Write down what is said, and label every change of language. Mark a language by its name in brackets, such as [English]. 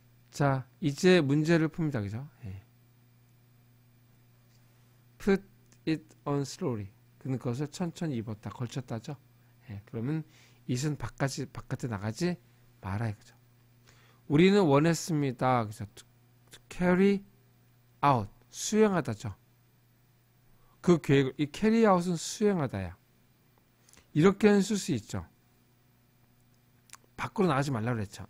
[Korean] 자, 이제 문제를 풉니다. 그죠? 예. [English] Put it on slowly. [Korean] 그것을 천천히 입었다. 걸쳤다죠? 예. 그러면 이슨 바깥에 나가지 말아야. 그죠? 우리는 원했습니다. 그래서 to carry out 수행하다죠. 그 계획을, 이 캐리 아웃은 수행하다야. 이렇게는 쓸수 있죠. 밖으로 나가지 말라고 그랬죠.